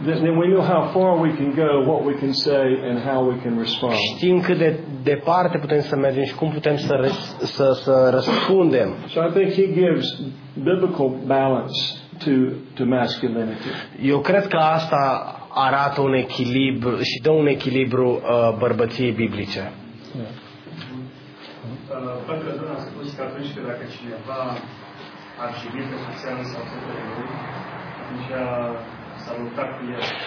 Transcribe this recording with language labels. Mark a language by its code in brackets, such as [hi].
[en] Then we know how far we can go, what we can say and how we can respond. [ro] Știm cât de departe putem să mergem și cum putem să răspundem. [en] So I think he gives biblical balance to masculinity. [ro] Eu cred că asta arată un echilibru și dă un echilibru bărbăției biblice. Pentru că a spus că atunci când dacă cineva ar primi pe soția lui sau fetele lui, atunci a salutat cu el.